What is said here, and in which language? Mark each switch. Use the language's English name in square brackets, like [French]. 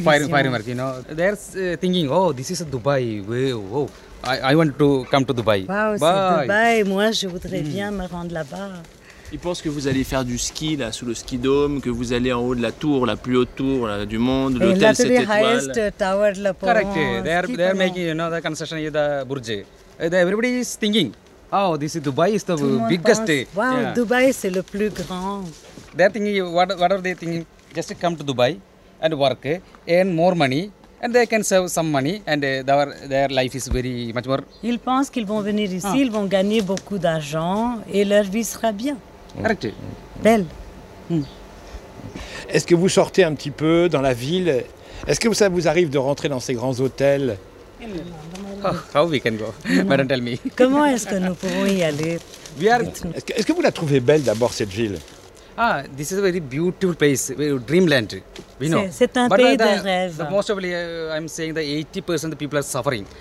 [English] firework, you know. They're thinking, oh, this is Dubai. Wow, I want to come to Dubai. [French] Wow, c'est Dubai. Moi, je voudrais bien me rendre là-bas. Ils pensent que vous allez faire du ski, là, sous le ski dôme, que vous allez en haut de la tour, la plus haute tour là, du monde, l'hôtel 7 étoiles. [English] The highest tower, [French] le pont. [English] Correct. They are making, you know, the construction of the Burj. Everybody is thinking, oh, this is Dubai, it's the [French] Tout [English] biggest. [French] Pense, wow, yeah. Dubai, c'est le plus grand. [English] They're thinking, what are they thinking? Just come to Dubai and work, earn more money, and they can save some money, and their life is very much more... [French] Ils pensent qu'ils vont venir ici, ils vont gagner beaucoup d'argent, et leur vie sera bien. [English] Correct. [French] Belle. Est-ce que vous sortez un petit peu dans la ville? Est-ce que ça vous arrive de rentrer dans ces grands hôtels? [English] Oh, how we can go? Madame, tell me. [French] Comment est-ce que nous pouvons y aller? Est-ce que vous la trouvez belle d'abord, cette ville? [English] Ah, this is a very beautiful place, dreamland, we know. [French] C'est un pays de rêve. [English] But most of I'm saying that 80% of people are suffering.